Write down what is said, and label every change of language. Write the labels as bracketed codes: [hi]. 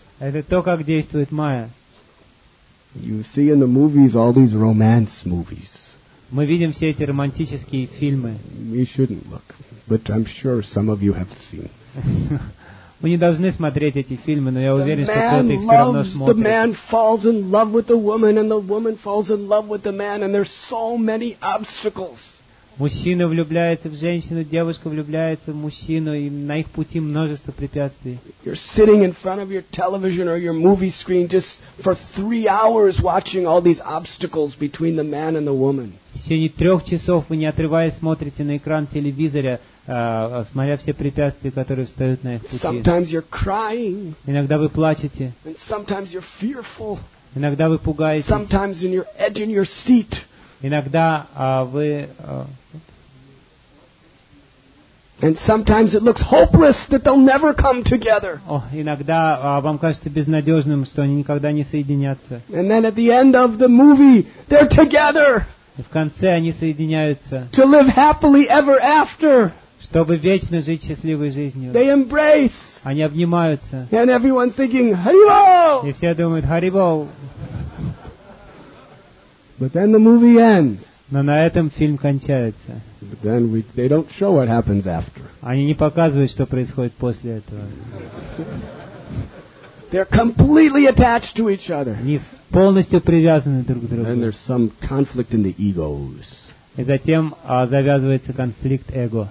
[ru] Это то, как действует Майя. [en] You see in the movies all these romance movies. [ru] Мы видим все эти романтические фильмы. [en] We shouldn't look, but I'm sure some of you have seen. [ru] Мы не должны смотреть эти фильмы, но я уверен, что кто-то их все равно смотрит. [en] The man falls in love with the woman, and the woman falls in love with the man, and there's so many obstacles. [ru] Мужчина влюбляется в женщину, девушка влюбляется в мужчину, и на их пути множество препятствий. [en] You're sitting in front of your television or your movie screen just for 3 hours watching all these obstacles between the man and the woman. [ru] В течение 3 часов вы не отрываясь смотрите на экран телевизора, смотря все препятствия, которые встают на их пути. [en] Sometimes you're crying. [ru] Иногда вы плачете. [en] And sometimes you're fearful. [ru] Иногда вы пугаетесь. [en] Sometimes in your edge in your seat. [ru] Иногда вы [en] And sometimes it looks hopeless that they'll never come together. [ru] Иногда вам кажется безнадежным, что они никогда не соединятся. [en] And then at the end of the movie, they're together. [ru] В конце они соединяются. [en] To live happily ever after. [ru] Чтобы вечно жить счастливой жизнью. [en] They embrace. [ru] Они обнимаются. [en] And everyone's thinking, Haribol! [ru] И все думают, Haribol! [en] But then the movie ends. [ru] Но на этом фильм кончается. [en] But then they don't show what happens after. [ru] Они не показывают, что происходит после этого. [en] They're completely attached to each other. [ru] Они полностью привязаны друг к другу. [en] Then there's some conflict in the egos. И затем завязывается конфликт эго.